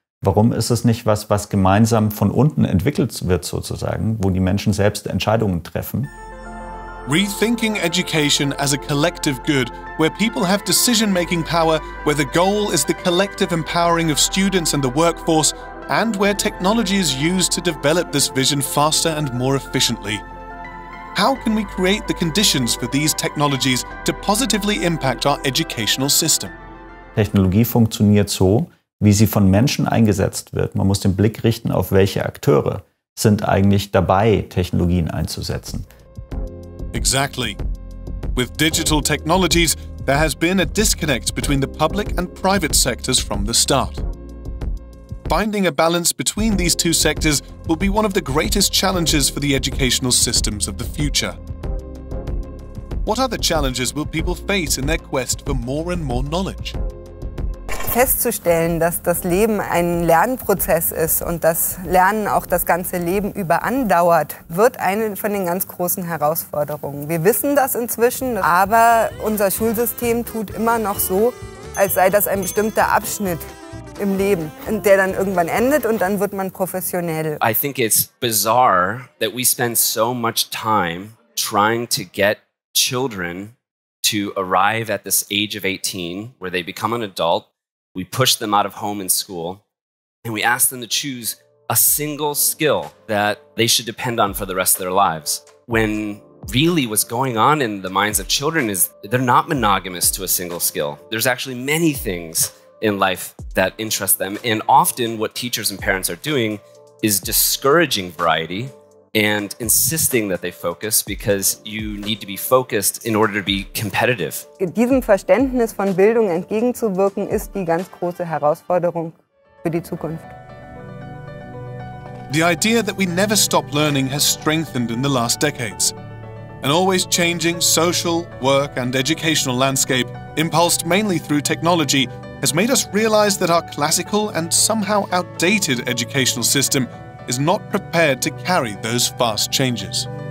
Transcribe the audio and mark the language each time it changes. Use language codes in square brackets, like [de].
[de] Warum ist es nicht was, was gemeinsam von unten entwickelt wird, sozusagen, wo die Menschen selbst Entscheidungen treffen? [en] Rethinking education as a collective good, where people have decision-making power, where the goal is the collective empowering of students and the workforce, and where technology is used to develop this vision faster and more efficiently. How can we create the conditions for these technologies to positively impact our educational system? [de] Technologie funktioniert so, wie sie von Menschen eingesetzt wird. Man muss den Blick richten auf welche Akteure sind eigentlich dabei, Technologien einzusetzen. [en] Exactly. With digital technologies, there has been a disconnect between the public and private sectors from the start. Finding a balance between these 2 sectors will be one of the greatest challenges for the educational systems of the future. What other challenges will people face in their quest for more and more knowledge? [de] Festzustellen, dass das Leben ein Lernprozess ist und dass Lernen auch das ganze Leben über andauert, wird eine von den ganz großen Herausforderungen. Wir wissen das inzwischen, aber unser Schulsystem tut immer noch so, als sei das ein bestimmter Abschnitt im Leben, der dann irgendwann endet und dann wird man professionell. [en] I think it's bizarre that we spend so much time trying to get children to arrive at this age of 18, where they become an adult. We push them out of home and school, and we ask them to choose a single skill that they should depend on for the rest of their lives. When really what's going on in the minds of children is they're not monogamous to a single skill. There's actually many things in life that interest them. And often what teachers and parents are doing is discouraging variety and insisting that they focus because you need to be focused in order to be competitive. [de] Diesem Verständnis von Bildung entgegenzuwirken ist die ganz große Herausforderung für die Zukunft. [en] The idea that we never stop learning has strengthened in the last decades. An always changing social, work and educational landscape, impulsed mainly through technology, has made us realize that our classical and somehow outdated educational system is not prepared to carry those fast changes.